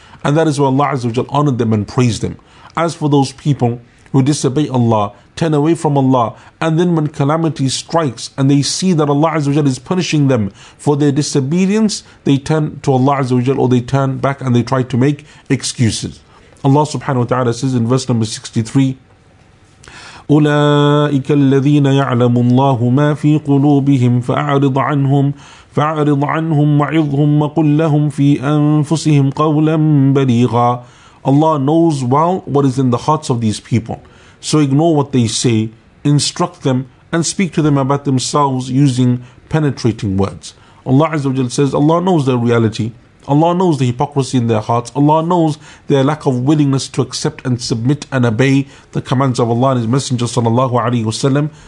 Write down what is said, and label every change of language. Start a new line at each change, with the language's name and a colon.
English: And that is why Allah Azza wa Jalla honored them and praised them. As for those people who disobey Allah, turn away from Allah, and then when calamity strikes and they see that Allah Azza wa Jalla is punishing them for their disobedience, they turn to Allah Azza wa Jalla, or they turn back and they try to make excuses. Allah Subhanahu wa Ta'ala says in verse number 63,
Arabic: أُولَٰئِكَ الَّذِينَ يَعْلَمُ اللَّهُ مَا فِي قُلُوبِهِمْ فَأَعْرِضْ عَنْهُمْ فاعرض عنهم وعظهم وقل لهم في أنفسهم قولا بليغا.
English: Allah knows well what is in the hearts of these people. So ignore what they say, instruct them, and speak to them about themselves using penetrating words. Allah Azza wa Jalla says, Allah knows their reality. Allah knows the hypocrisy in their hearts. Allah knows their lack of willingness to accept and submit and obey the commands of Allah and His Messenger sallallahu alayhi wa sallam.